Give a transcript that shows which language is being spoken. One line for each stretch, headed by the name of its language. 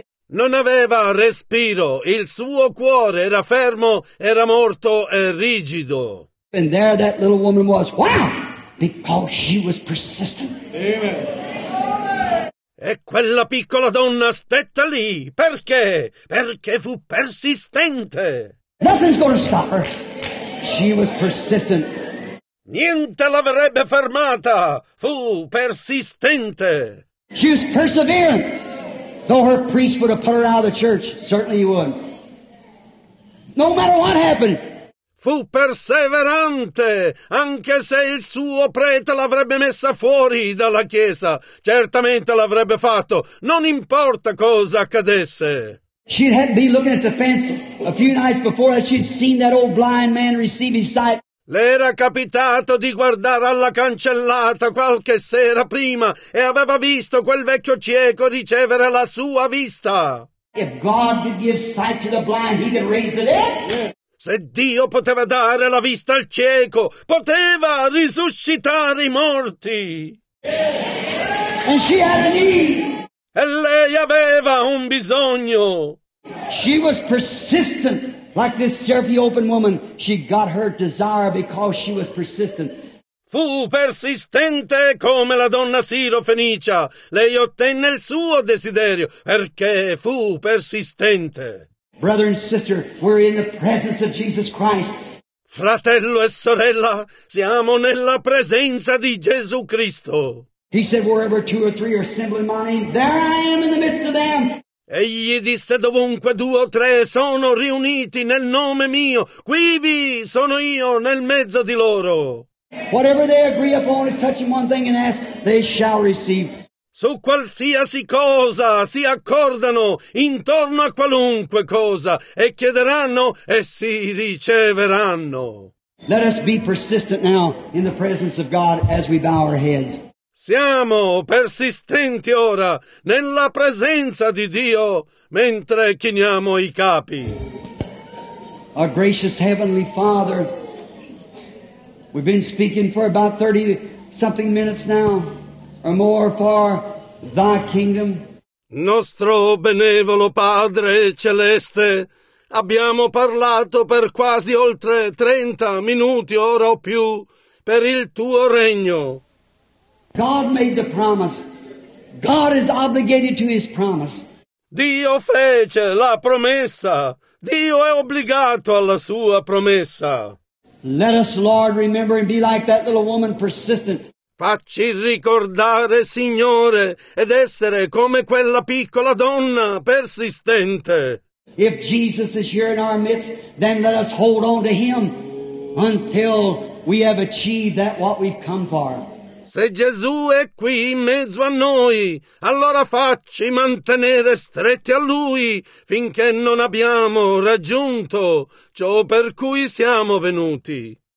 Italian: Non aveva respiro, il suo cuore era fermo, era morto e rigido.
English: And there that little woman was. Wow! Because she was persistent. Amen.
Italian: E quella piccola donna stette lì. Perché? Perché fu persistente.
English: Nothing's going to stop her. She was persistent.
Italian: Niente l'avrebbe fermata. Fu persistente.
English: She was persevering. Though her priest would have put her out of the church, certainly he would. No matter what happened.
Italian: Fu perseverante, anche se il suo prete l'avrebbe messa fuori dalla chiesa. Certamente l'avrebbe fatto, non importa cosa accadesse.
English: She'd have been looking at the fence a few nights before that she'd seen that old blind man receive his sight.
Italian: Le era capitato di guardare alla cancellata qualche sera prima e aveva visto quel vecchio cieco ricevere la sua vista.
English: If God could give sight to the blind, he could raise the dead.
Italian: Se Dio poteva dare la vista al cieco, poteva risuscitare i morti.
English: And she had a need.
Italian: E lei aveva un bisogno.
English: She was persistent, like this serve the open woman. She got her desire because she was persistent.
Italian: Fu persistente come la donna sirofenicia. Lei ottenne il suo desiderio perché fu persistente.
English: Brother and sister, we're in the presence of Jesus Christ.
Italian: Fratello e sorella, siamo nella presenza di Gesù Cristo.
English: He said, wherever two or three are assembled in my name, there I am in the midst of them.
Italian: Egli disse, dovunque due o tre sono riuniti nel nome mio, quivi sono io nel mezzo di loro.
English: Whatever they agree upon is touching one thing and ask, they shall receive.
Italian: Su qualsiasi cosa si accordano, intorno a qualunque cosa, e chiederanno e si riceveranno.
English: Let us be persistent now in the presence of God as we bow our heads.
Italian: Siamo persistenti ora nella presenza di Dio mentre chiniamo i capi.
English: Our gracious Heavenly Father, we've been speaking for about 30 something minutes now, or more far. Thy kingdom.
Italian: Nostro benevolo Padre Celeste, abbiamo parlato per quasi oltre 30 minuti, ora o più, per il tuo regno.
English: God made the promise. God is obligated to his promise.
Italian: Dio fece la promessa. Dio è obbligato alla sua promessa.
English: Let us, Lord, remember and be like that little woman, persistent.
Italian: Facci ricordare, Signore, ed essere come quella piccola donna persistente.
English: If Jesus is here in our midst, then let us hold on to him until we have achieved that what we've come for.
Italian: Se Gesù è qui in mezzo a noi, allora facci mantenere stretti a lui finché non abbiamo raggiunto ciò per cui siamo venuti.